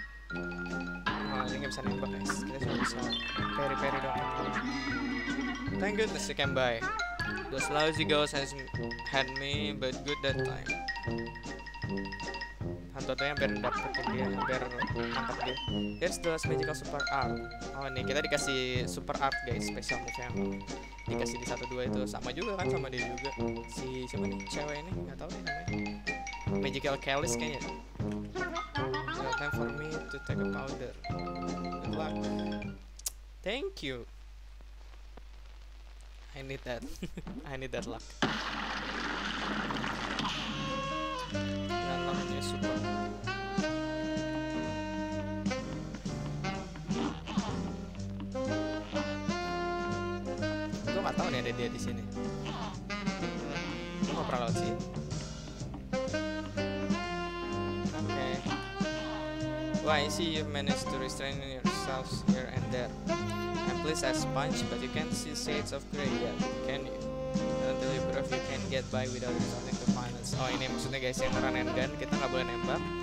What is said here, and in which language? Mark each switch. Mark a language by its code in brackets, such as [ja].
[id] Oh, ini gak bisa nembak guys. Kita cuma bisa peri-peri doang. [en] Thank goodness you can buy. Those lousy girls has had me but good that time. [id] Hantu-hantunya hampir dapetin dia, hampir nangkep dia. [en] Here's the last magical super art. [id] Oh nih, kita dikasih super art guys, special move yang dikasih di 1-2 itu. Sama juga kan sama dia juga. Si siapa nih, cewek ini, gak tau nih namanya. Magical Calis kayaknya. [en] So, time for me to take a powder. Good luck. Thank you. I need that. I need that luck. [id] Dan lawannya super. Gue nggak tahu nih ada dia di sini. Gue nggak pernah lewat sih. [en] I see you managed to restrain yourselves here and there. I'm pleased as sponge, but you can't see shades of grey yet, can you? Until you prove you can get by without resorting to violence. [id] Oh ini maksudnya guys, yang run and gun, kita gak boleh nembak.